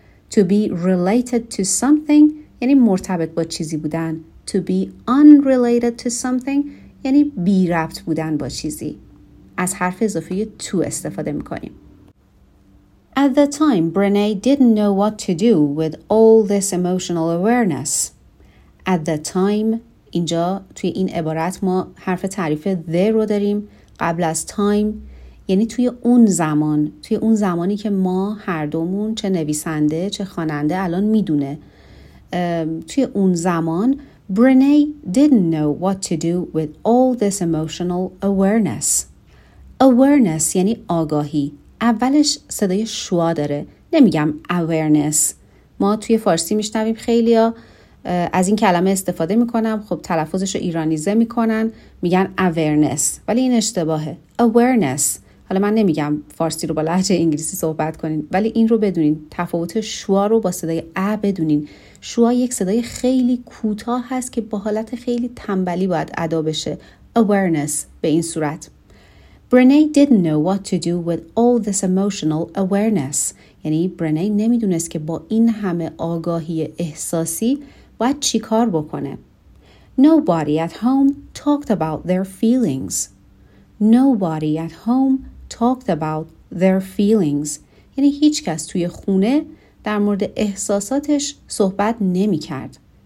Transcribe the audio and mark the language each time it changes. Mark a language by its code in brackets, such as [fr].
[en] To be related to something [fa] یعنی مرتبط با چیزی بودن. [en] To be unrelated to something [fa] یعنی بی ربط بودن با چیزی. از حرف اضافه to استفاده میکنیم. [en] At the time, Brené didn't know what to do with all this emotional awareness. At the time، [fa] اینجا توی این عبارت ما حرف تعریف the رو داریم. قبل از time یعنی توی اون زمان، توی اون زمانی که ما هر دومون، چه نویسنده چه خواننده، الان میدونه. توی اون زمان [en] Brené didn't know what to do with all this emotional awareness. [fa] Awareness یعنی آگاهی. اولش صدای شوا داره، نمیگم awareness. ما توی فارسی میشنویم خیلی ها از این کلمه استفاده میکنم، خب تلفظش رو ایرانیزه میکنن، میگن awareness، ولی این اشتباهه. Awareness، حالا من نمیگم فارسی رو با لهجه انگلیسی صحبت کنین، ولی این رو بدونین، تفاوت شوا رو با صدای ا بدونین. شوا یک صدای خیلی کوتاه هست که با حالت خیلی تنبلی باید ادا بشه. Awareness به این صورت. [en] Brené didn't know what to do with all this emotional awareness. [fa] یعنی Brené نمیدونست که با این همه آگاهی احساسی باید چی کار بکنه. [en] Nobody at home talked about their feelings. Nobody at home talked about their feelings. [fa] یعنی هیچ کس توی خونه در مورد احساساتش صحبت نمی کرد.